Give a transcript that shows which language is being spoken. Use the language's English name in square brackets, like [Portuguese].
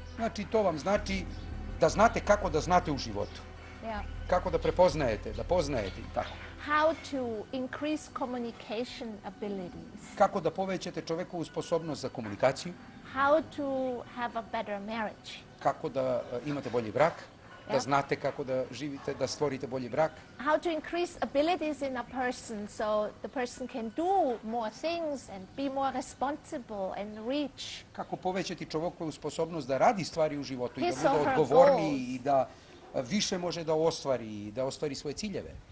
[Serbian] Znači, to vam znači da znate kako da znate u životu. Yeah. Kako da prepoznajete, da poznajete i tako. [English] How to increase communication abilities. [Serbian] Kako da povećate čovekovu sposobnost za komunikaciju. [English] How to have a better marriage. [Serbian] Kako da imate bolji brak. Da znate kako da živite, da stvorite bolji brak. [English] How to increase abilities in a person so the person can do more things and be more responsible and rich. [Serbian] Kako povećati čovjekovu sposobnost da radi stvari u životu i da bude odgovorniji i da više može da ostvari i da ostvari svoje ciljeve.